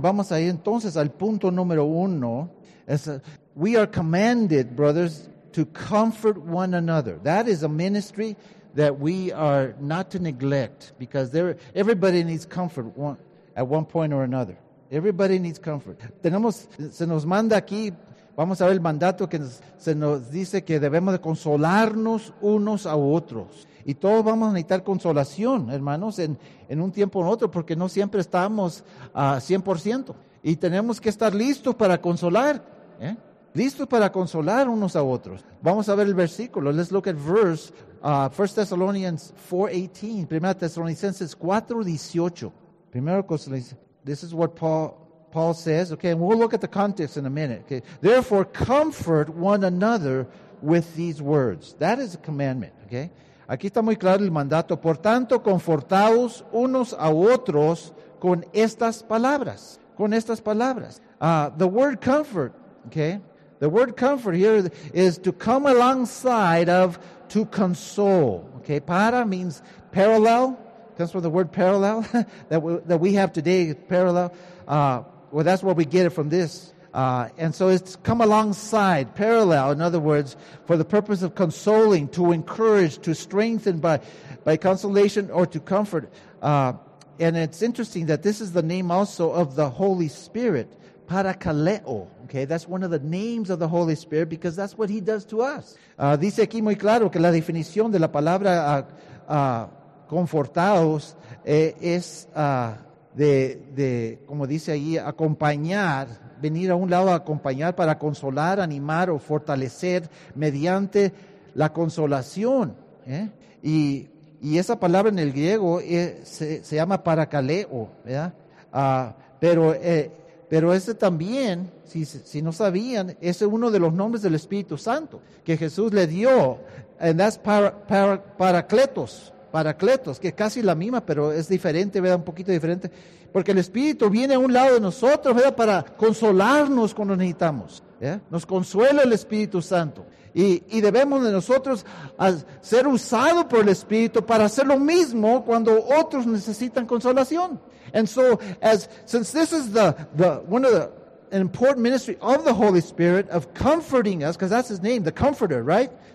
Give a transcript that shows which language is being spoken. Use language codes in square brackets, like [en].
[es] Vamos a ir entonces al punto número uno. [en] We are commanded, brothers, to comfort one another. That is a ministry that we are not to neglect, because everybody needs comfort at one point or another. Everybody needs comfort. [es] Se nos manda aquí, vamos a ver el mandato que se nos dice que debemos de consolarnos unos a otros. Y todos vamos a necesitar consolación, hermanos, en un tiempo o en otro, porque no siempre estamos a 100%. Y tenemos que estar listos para consolar, ¿eh? Listos para consolar unos a otros. Vamos a ver el versículo. [en] Let's look at verse 1 Thessalonians 4:18. [es] Primera Tesalonicenses 4:18. Primero Tesalonicenses. [en] This is what Paul says. Okay, and we'll look at the context in a minute. Okay, therefore, comfort one another with these words. That is a commandment. Okay, [es] aquí está muy claro el mandato. Por tanto, confortaos unos a otros con estas palabras. Con estas palabras. [en] The word comfort. Okay, the word comfort here is to come alongside of, to console. Okay, para means parallel. That's where the word parallel that we have today, parallel. Well, that's where we get it from this. And so it's come alongside, parallel, in other words, for the purpose of consoling, to encourage, to strengthen by consolation or to comfort. And it's interesting that this is the name also of the Holy Spirit, Paracaleo. Okay, that's one of the names of the Holy Spirit because that's what he does to us. [es] Dice aquí muy claro que la definición de la palabra confortados es de como dice ahí, acompañar, venir a un lado a acompañar para consolar, animar o fortalecer mediante la consolación, ¿eh? y Y esa palabra en el griego se llama paracaleo, ¿verdad? Pero ese también, si no sabían, ese es uno de los nombres del Espíritu Santo que Jesús le dio. [en] And that's paracletos. [es] Paracletos, que es casi la misma, pero es diferente, ¿verdad? Un poquito diferente. Porque el Espíritu viene a un lado de nosotros, ¿verdad? Para consolarnos cuando necesitamos, ¿verdad? Nos consuela el Espíritu Santo. Y debemos de nosotros ser usados por el Espíritu para hacer lo mismo cuando otros necesitan consolación. [en] And so, since this is an important ministry of the Holy Spirit, of comforting us, because that's his name, the Comforter, right?